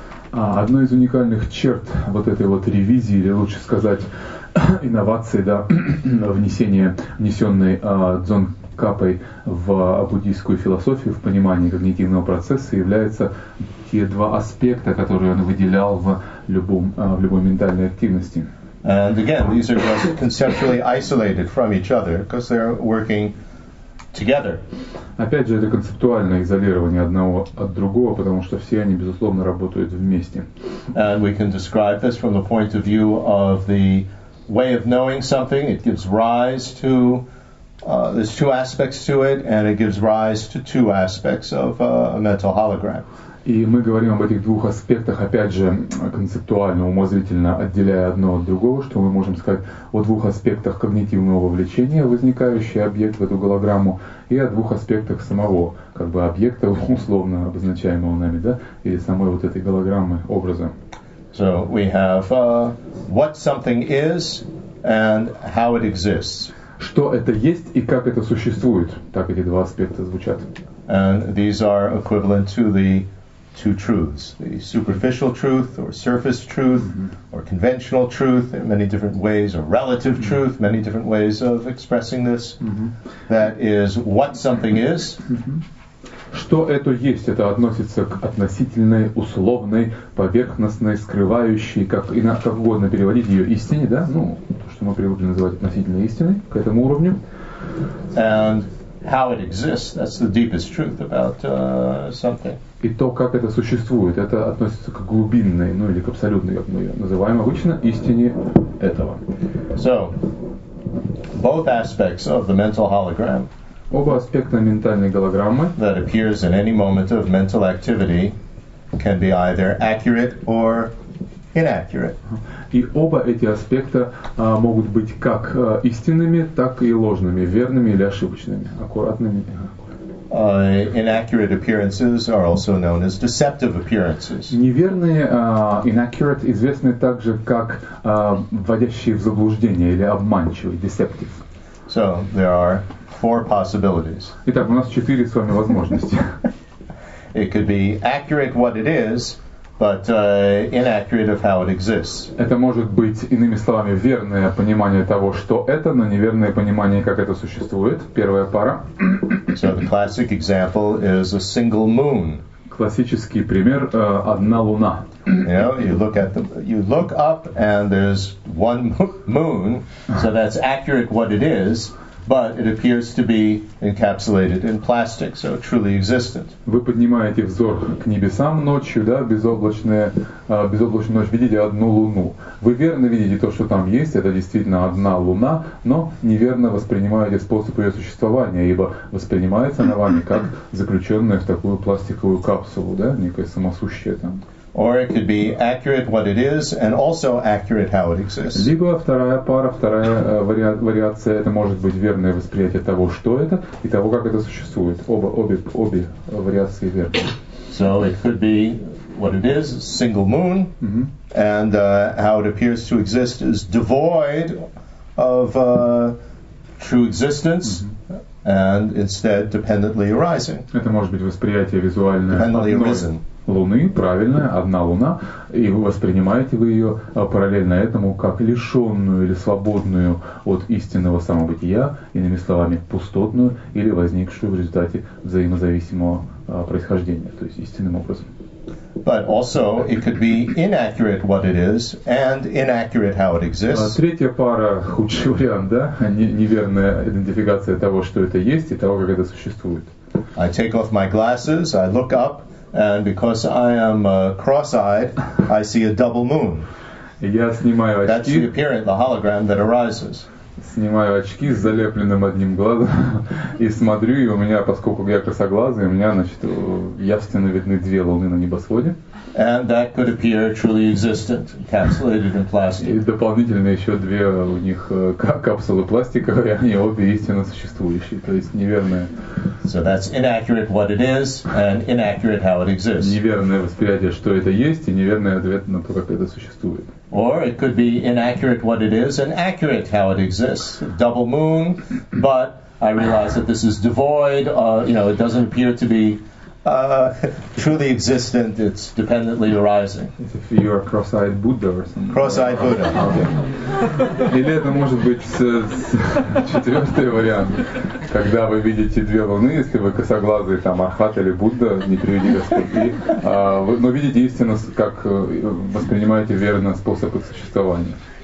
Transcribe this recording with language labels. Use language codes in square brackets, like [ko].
[ru] Одной из уникальных черт вот этой вот ревизии, или лучше сказать, инновации, да, внесенной Дзон Капой в буддийскую философию, в понимании когнитивного процесса, является те два аспекта, которые он выделял в любой ментальной активности. [en] And again, these are just conceptually isolated from each other, because they're working together. [ru] Опять же, это концептуальное изолирование одного от другого, потому что все они, безусловно, работают вместе. [en] And we can describe this from the point of view of the way of knowing something. It gives rise to there's two aspects to it, and it gives rise to two aspects of a mental hologram. [ru] И мы говорим об этих двух аспектах, опять же, концептуально, умозрительно отделяя одно от другого, что мы можем сказать о двух аспектах когнитивного вовлечения, возникающий объект в эту голограмму, и о двух аспектах самого, как бы, объекта, условно обозначаемого нами, да, или самой вот этой голограммы, образа. [en] So we have what something is and how it exists. [ru] Что это есть и как это существует, так эти два аспекта звучат. [en] And these are equivalent to the two truths, the superficial truth or surface truth, mm-hmm. or conventional truth, there are many different ways, or relative mm-hmm. truth, many different ways of expressing this. Mm-hmm. That is what something is. [ru] Mm-hmm. Что это есть? Это относится к относительной, условной, поверхностной, скрывающей, как угодно переводить ее, истине, да? Ну, то, что мы привыкли называть относительной истиной, к этому уровню. [en] And how it exists, that's the deepest truth about something. [ru] И то, как это существует, это относится к глубинной, ну или к абсолютной, как мы ее называем обычно, истине этого. [en] So, both aspects of the mental hologram, [ru] оба аспекта ментальной голограммы, [en] that appears in any moment of mental activity, can be either accurate or inaccurate. [ru] И оба эти аспекта могут быть как истинными, так и ложными, верными или ошибочными, аккуратными. [en] Inaccurate appearances are also known as deceptive appearances. [ru] Неверные, inaccurate, известны также как вводящие в заблуждение или обманчивые, deceptive. [en] So there are four possibilities. [ru] Итак, у нас четыре с вами возможности. [en] It could be accurate what it is, but inaccurate of how it exists. [ru] Это может быть, иными словами, верное понимание того, что это, но неверное понимание, как это существует. Первая пара. [en] So the classic example is a single moon. [ru] Классический пример — одна луна. [en] You know, you look up and there's one moon, so that's accurate what it is, but it appears to be encapsulated in plastic, so truly existent. [ru] Вы поднимаете взор к небесам ночью, да, безоблачная ночь, видите одну луну. Вы верно видите то, что там есть, это действительно одна луна, но неверно воспринимаете способ ее существования, ибо воспринимается она вами как заключенная в такую пластиковую капсулу, да, некое самосущее там. [en] Or it could be accurate what it is and also accurate how it exists. [ru] Либо вторая пара, вторая вариация, это может быть верное восприятие того, что это, и того, как это существует. Обе вариации верны. [en] So it could be what it is, single moon, mm-hmm. and how it appears to exist is devoid of true existence. Mm-hmm. And instead dependently arising. [ru] Это может быть восприятие визуальное. [en] Dependently arisen. [ru] Луны, правильно, одна луна, и вы воспринимаете вы ее параллельно этому как лишенную или свободную от истинного самобытия, иными словами, пустотную или возникшую в результате взаимозависимого происхождения, то есть истинным образом. [en] But also it could be inaccurate what it is and inaccurate how it exists. [ru] Третья пара, худший вариант, да, неверная идентификация того, что это есть и того, как это существует. [en] I take off my glasses, I look up, and because I am cross-eyed, I see a double moon. [ru] Я снимаю очки. [en] That's the apparent, the hologram that arises. [ru] снимаю очки с залепленным одним глазом и смотрю, и у меня, поскольку я косоглазый, у меня, значит, явственно видны две луны на небосводе. [en] And that could appear truly existent, encapsulated in plastic. [ru] И дополнительно еще две у них капсулы пластиковые, они обе истинно существующие, то есть неверное. [en] So that's inaccurate what it is and inaccurate how it exists. [ru] Неверное восприятие, что это есть, и неверный ответ на то, как это существует. [en] Or it could be inaccurate what it is and accurate how it exists. Double moon, but I realize that this is devoid, you know, it doesn't appear to be truly existent, it's dependently arising. If you're a cross-eyed Buddha or something. Cross-eyed Buddha. [ru] Или это может быть четвертый вариант, когда вы видите две луны, если вы косоглазый, там, Архат или Будда, не приведи Господи, но видите истину, как воспринимаете верно способ их существования.